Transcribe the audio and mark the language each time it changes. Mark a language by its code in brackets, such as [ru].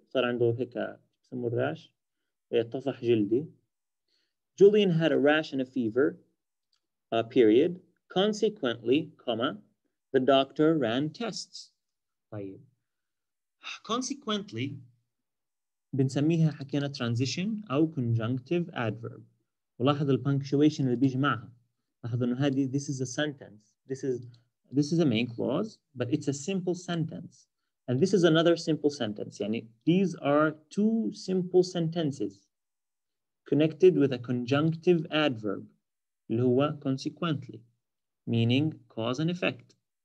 [ar] صار عنده هيك اسمه الراش طفح جلدي. [en] Julian had a rash and a fever, period. Consequently, comma, the doctor ran tests. طيب. [ar] Consequently, بنسميها حكينا transition أو conjunctive adverb. ولاحظ البنكشواشن اللي بيجي معها. لاحظ أنه هذه [en] this is a sentence. This is a main clause, but it's a simple sentence. And this is another simple sentence. يعني these are two simple sentences. Connected with a conjunctive adverb, [ar] اللي هو [en] consequently, meaning cause and effect.